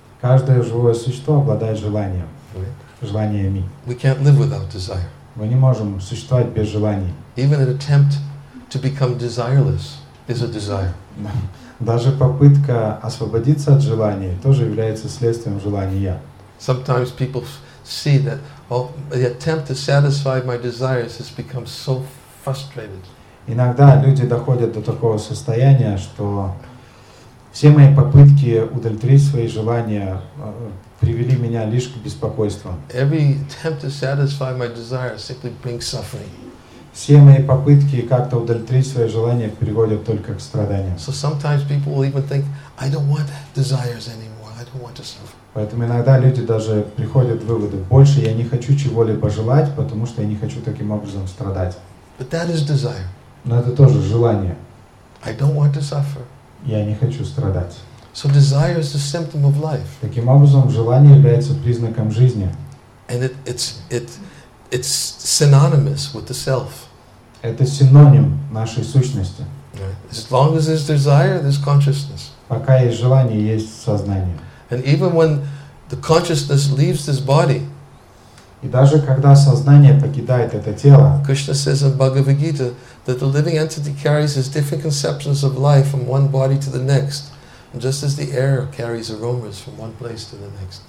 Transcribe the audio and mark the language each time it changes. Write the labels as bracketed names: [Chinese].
[Russian] Каждое живое существо обладает желанием. [English] Right. [Russian] Желаниями. [English] We can't live without desire. [Russian] Мы не можем существовать без желаний. [English] Even an attempt to become desireless is a desire. [Russian] Даже попытка освободиться от желаний тоже является следствием желания. [English] Sometimes people see that the attempt to satisfy my desires has become so frustrated. [Russian] Иногда люди доходят до такого состояния, что Все мои попытки удовлетворить свои желания привели меня лишь к беспокойству. [English] Every attempt to satisfy my desire simply brings suffering. [Russian] Все мои попытки как-то удовлетворить свои желания приводят только к страданиям. [English] So sometimes people will even think, I don't want desires anymore. I don't want to suffer. [Russian] Поэтому иногда люди даже приходят к выводу, больше я не хочу чего-либо желать, потому что я не хочу таким образом страдать. [English] But that is desire. [Russian] Но это тоже желание. [English] I don't want to suffer. [Russian] Я не хочу страдать. [English] So desire is a symptom of life. [Russian] Таким образом, желание является признаком жизни. [English] And it's synonymous with the self. [Russian] Это синоним нашей сущности. [English] As long as there's desire, there's consciousness. [Russian] Пока есть желание, есть сознание. [English] And even when the consciousness leaves this body. [Russian] И даже когда сознание покидает это тело. [English] Krishna says in Bhagavad Gita that the living entity carries his different conceptions of life from one body to the next. Just as the air carries aromas from one place to the next.